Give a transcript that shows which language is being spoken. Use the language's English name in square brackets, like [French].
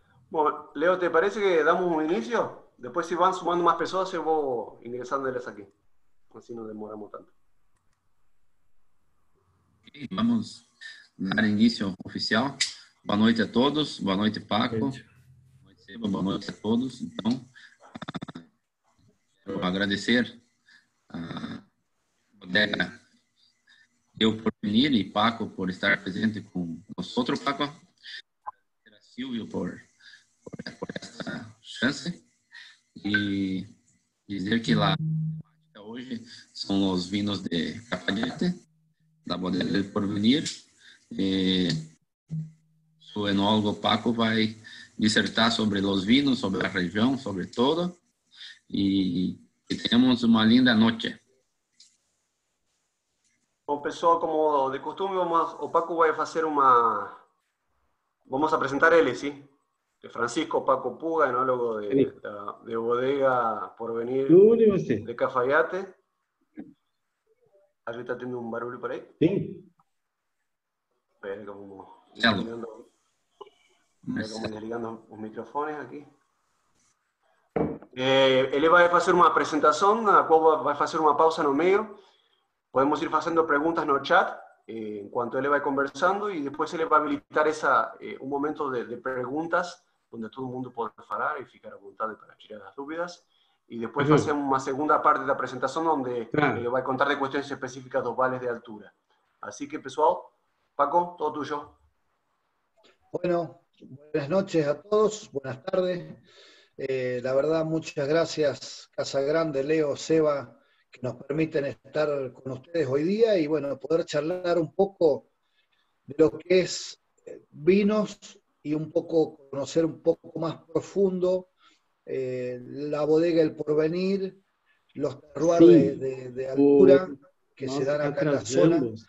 [Spanish] Bueno, Leo, ¿te parece que damos un inicio? Después si van sumando más personas, se voy ingresándoles aquí, así no demoramos tanto. Okay, vamos a dar inicio oficial. Buenas noches a todos, buenas noches Paco, buenas noches a todos. [Portuguese] Então, agradecer a Bodega eu [Spanish] por venir [Portuguese] e Paco por estar presente com nós, Paco. Agradecer a Silvio por esta chance e dizer que lá hoje são os vinhos de Cafayate, da Bodega do Porvenir. E o enólogo Paco vai dissertar sobre os vinhos, sobre a região, sobre tudo. [Spanish] Y tenemos una linda noche. Empezó como de costumbre, Paco va a hacer una... Vamos a presentar él, ¿sí? De Francisco Paco Puga, enólogo de Bodega Porvenir de Cafayate. Ahí está teniendo un barullo por ahí. Sí. Espera, como... Desligando los micrófonos aquí. Él va a hacer una presentación, a cual va a hacer una pausa en el medio. Podemos ir haciendo preguntas en el chat en cuanto él va conversando y después él va a habilitar un momento de preguntas donde todo el mundo puede hablar y ficar a voluntad para tirar las dudas. Y después va a hacer una segunda parte de la presentación donde él va a contar de cuestiones específicas de los vales de altura. Así que, pessoal, Paco, todo tuyo. Bueno, buenas noches a todos, buenas tardes. La verdad, muchas gracias Casa Grande, Leo, Seba, que nos permiten estar con ustedes hoy día y bueno, poder charlar un poco de lo que es vinos y un poco conocer un poco más profundo la bodega El Porvenir, los terroirs de altura que se dan acá en la zona.